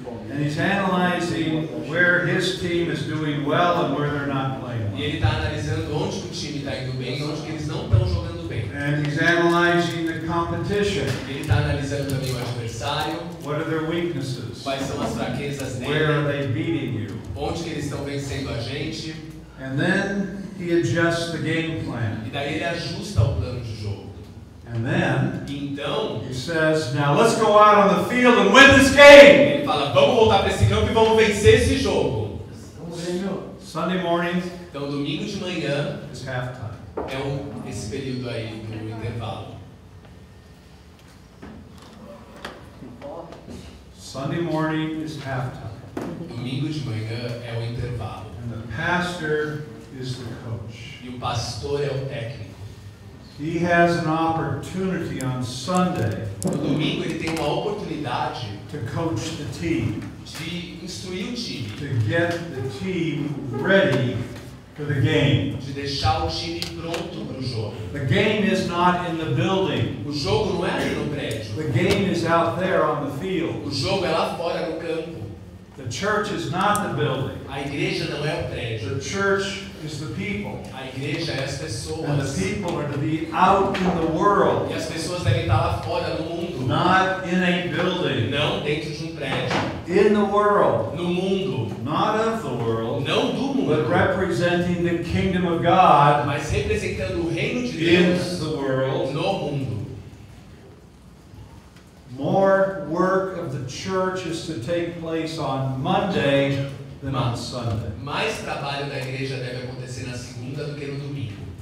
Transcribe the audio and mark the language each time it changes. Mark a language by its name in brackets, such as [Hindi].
[English] And he's analyzing where his team is doing well and where they're not playing. [Portuguese] E ele está analisando onde o time está indo bem e onde eles não estão jogando bem. [English] And he's analyzing the competition. [Portuguese] E ele está analisando também o adversário. [English] What are their weaknesses? [Portuguese] Quais são as fraquezas dele? [English] Where are they beating you? [Portuguese] Onde que eles estão vencendo a gente? [English] And then he adjusts the game plan. [Portuguese] E daí ele ajusta o plano de jogo. [English] And then [Portuguese] então, [English] he says, "Now let's go out on the field and win this game." [Portuguese] Ele fala, vamos voltar para esse campo e vamos vencer esse jogo. [English] Sunday morning. [Portuguese] Então domingo de manhã [English] is halftime. [Portuguese] É esse período aí do intervalo. [English] Sunday morning is halftime. [Portuguese] Domingo de manhã é o intervalo. [English] And the pastor is the coach. [Portuguese] E o pastor é o técnico. [English] He has an opportunity on Sunday. [Portuguese] No domingo ele tem uma oportunidade [English] to coach the team. [Portuguese] De instruir o time. [English] To get the team ready for the game. [Portuguese] De deixar o time pronto para o jogo. [English] The game is not in the building. [Portuguese] O jogo não é ali no prédio. [English] The game is out there on the field. [Portuguese] O jogo é lá fora no campo. [English] The church is not the building. [Portuguese] A igreja não é o prédio. [English] The church is the people. [Portuguese] A igreja é as pessoas. [English] And the people are to be out in the world. [Portuguese] E as pessoas devem estar lá fora no mundo. [English] Not in a building. [Portuguese] Não dentro de prédio. [English] In the world. [Portuguese] No mundo. [English] Not of the world. [Portuguese] Não do mundo. [English] But representing the kingdom of God. [Portuguese] Mas representando o reino de [English] Deus. In the world. [Portuguese] No mundo. [English] More work of the church is to take place on Monday than on Sunday. [Portuguese] Mais trabalho da igreja deve acontecer na segunda do que no domingo.